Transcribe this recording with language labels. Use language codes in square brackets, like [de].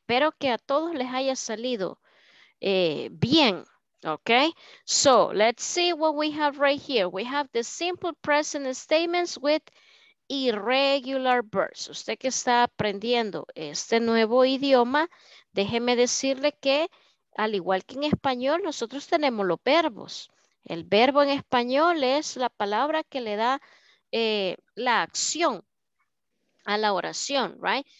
[es] Espero que a todos les haya salido bien. [en] Okay, so let's see what we have right here. We have the simple present statements with irregular verbs. [es] Usted que está aprendiendo este nuevo idioma, déjeme decirle que al igual que en español, nosotros tenemos los verbos. El verbo en español es la palabra que le da la acción a la oración, right?